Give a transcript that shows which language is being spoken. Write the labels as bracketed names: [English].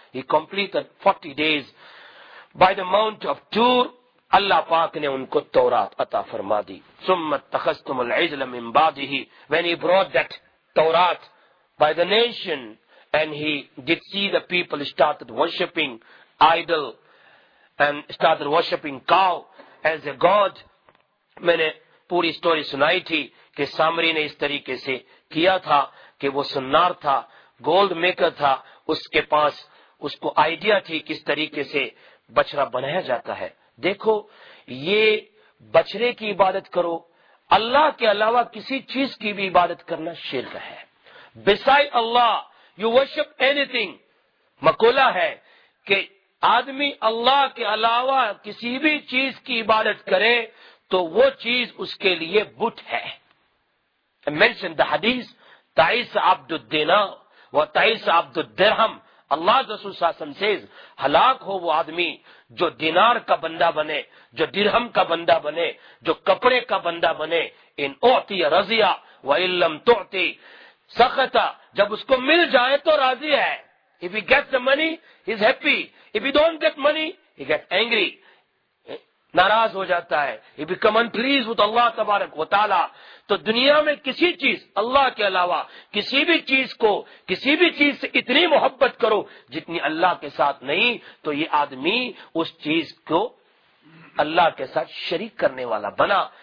[English] He completed 40 days. By the mount of Tur, Allah [Urdu] پاک نے ان کو تورات عطا فرما دی. [Arabic] ثُمَّ اتَّخَذْتُمُ الْعِجْلَ مِنْ بَعْدِهِ. [English] When he brought that تورات by the nation and he did see the people started worshipping idol and started worshipping cow as a god. [Urdu] میں نے پوری سٹوری سنائی تھی کہ سامری نے اس طریقے سے کیا تھا کہ وہ سنار تھا, گولڈ میکر تھا, اس کے پاس اس کو آئیڈیا تھی کس طریقے سے بچڑا بنایا جاتا ہے. دیکھو یہ بچڑے کی عبادت کرو, اللہ کے علاوہ کسی چیز کی بھی عبادت کرنا شرک ہے. [English] Beside Allah you worship anything. [Urdu] مقولہ ہے کہ آدمی اللہ کے علاوہ کسی بھی چیز کی عبادت کرے تو وہ چیز اس کے لیے بت ہے. [English] mention the حدیث [Arabic] تائس عبد الدین و تائس عبد الدرہم. [Urdu] اللہ رسول صلی اللہ علیہ وسلم سیز, ہلاک ہو وہ آدمی جو دینار کا بندہ بنے, جو درہم کا بندہ بنے, جو کپڑے کا بندہ بنے. [Arabic] ان اعطی رضیا و ان لم تعطی سخطا. [Urdu] جب اس کو مل جائے تو راضی ہے. [English] If he gets the money, he's happy. If he don't get money, he gets angry. [Urdu] ناراض ہو جاتا ہے. [English] He become unpleased with Allah تبارک و تعالی. [Urdu] تو دنیا میں کسی چیز اللہ کے علاوہ کسی بھی چیز کو کسی بھی چیز سے اتنی محبت کرو جتنی اللہ کے ساتھ نہیں, تو یہ آدمی اس چیز کو اللہ کے ساتھ شریک کرنے والا بنا.